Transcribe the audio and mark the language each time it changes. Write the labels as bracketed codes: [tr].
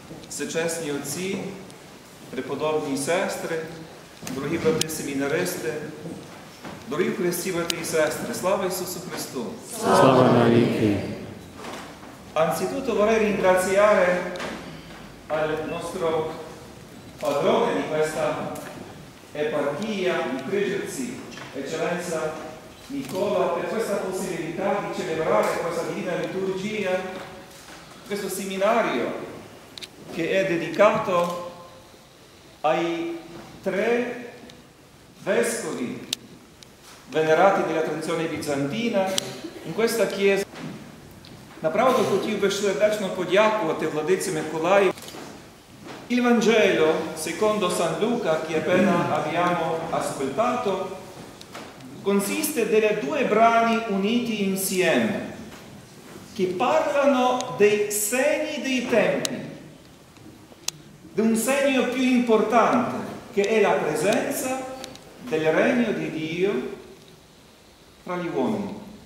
[uk] все чесні отці, преподобні сестри, дорогі брати-семінаристи, дорогі в Христі брати і сестри, слава Ісусу Христу! Слава навіки! [it] Anzitutto vorrei ringraziare al nostro padrone di questa eparchia di Križevci, eccellenza Nicola, per questa possibilità di celebrare questa divina liturgia, questo seminario che è dedicato ai tre vescovi venerati della tradizione bizantina in questa chiesa. [uk] Направду хотів би сердечно подякувати владиці Миколаю. [it] Il Vangelo, secondo San Luca, che appena abbiamo ascoltato, consiste delle due brani uniti insieme, che parlano dei segni dei tempi, di un segno più importante, che è la presenza del regno di Dio fra gli uomini.